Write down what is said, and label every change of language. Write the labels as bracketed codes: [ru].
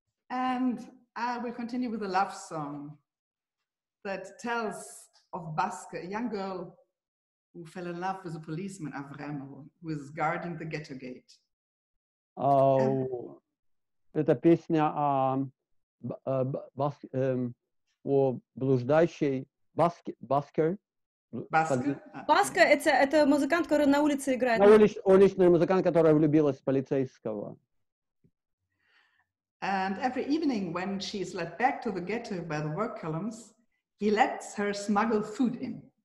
[en] And I will continue with a love song that tells of Baska, a young girl who fell in love with a policeman, Avram, who is guarding the ghetto gate. [ru] Oh, это песня о о блуждающей Баскер. Баска — это музыкант, который на улице играет. На улице уличный музыкант, которая влюбилась в полицейского. [en] And every evening, when she is led back to the ghetto by the work columns, he lets her smuggle food in.